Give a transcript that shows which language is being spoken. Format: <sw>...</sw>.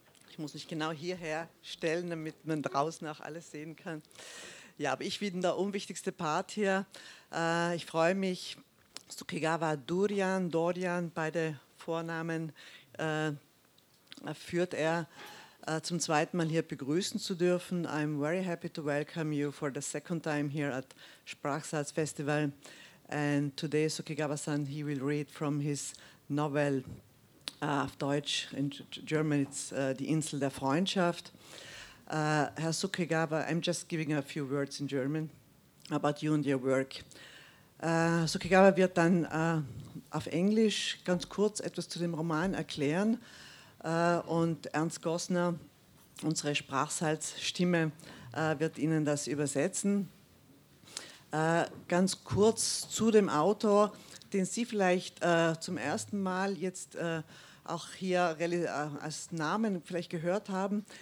<de>Ich muss mich genau hierher stellen, damit man draußen auch alles sehen kann. Ja, aber ich bin der unwichtigste Part hier. Ich freue mich, Tsukigawa Dorian, beide Vornamen führt er, zum zweiten Mal hier begrüßen zu dürfen.</de> <en>I'm very happy to welcome you for the second time here at Sprachsatz Festival. And today Tsukigawa-san, he will read from his novel</en> <de>auf Deutsch,</de> <en>in German, it's die Insel der Freundschaft. Herr Tsukigawa, I'm just giving a few words in German about you and your work.</en> <de>Tsukigawa wird dann auf Englisch ganz kurz etwas zu dem Roman erklären und Ernst Gossner, unsere Sprachsalzstimme, wird Ihnen das übersetzen. Ganz kurz zu dem Autor, den Sie vielleicht zum ersten Mal jetzt auch hier als Namen vielleicht gehört haben.</de>